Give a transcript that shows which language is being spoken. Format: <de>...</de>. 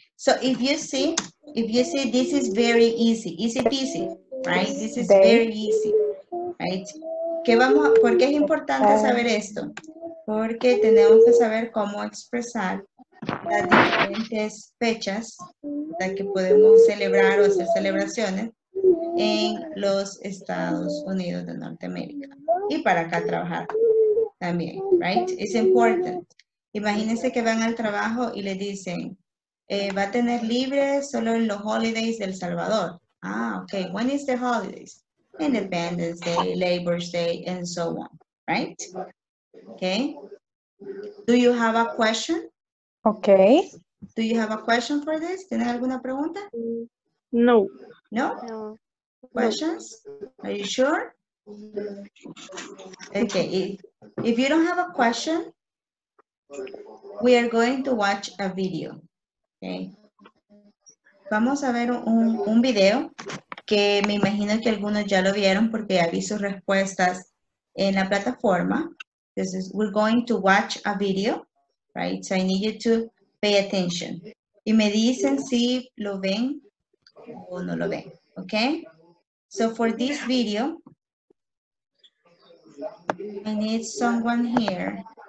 <en>So if you see, this is very easy. Easy peasy, right? This is very easy, right?</en> <es>¿Qué vamos a, ¿por qué es importante saber esto? Porque tenemos que saber cómo expresar las diferentes fechas de que podemos celebrar o hacer celebraciones en los Estados Unidos de Norteamérica. Y para acá trabajar también,</es> <en>right? It's important.</en> <es>Imagínense que van al trabajo y le dicen, va a tener libre solo en los holidays del Salvador.</es> <en>Ah, okay. When is the holidays? Independence Day, Labor Day, and so on, right? Okay. Do you have a question? Okay. Do you have a question for this?</en> <es>¿Tienen alguna pregunta?</es> <en>No. No? No. Questions? Are you sure? Okay. If you don't have a question, we are going to watch a video. Okay.</en> <es>Vamos a ver un video que me imagino que algunos ya lo vieron porque ya vi sus respuestas en la plataforma.</es> <en>Entonces, we're going to watch a video, right? So I need you to pay attention.</en> <es>Y me dicen si lo ven o no lo ven. Okay?</es> <en>So for this video, I need someone here.</en>